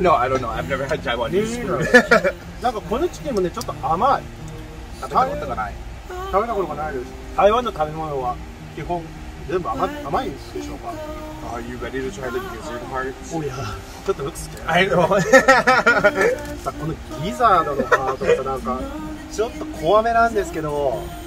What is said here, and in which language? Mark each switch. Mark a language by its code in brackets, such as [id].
[en] No, I don't know. I've never had Taiwanese food. [ja] なんかこのチキンもね、ちょっと甘い。食べたことがない。食べたことがないです。台湾の食べ物は基本全部甘いんでしょうか。 [en] Are you ready to try the dessert part? Oh yeah. [ja] ちょっと [en] looks good. I know. [ja] さあこのギザードのハートがなんかちょっと怖めなんですけど。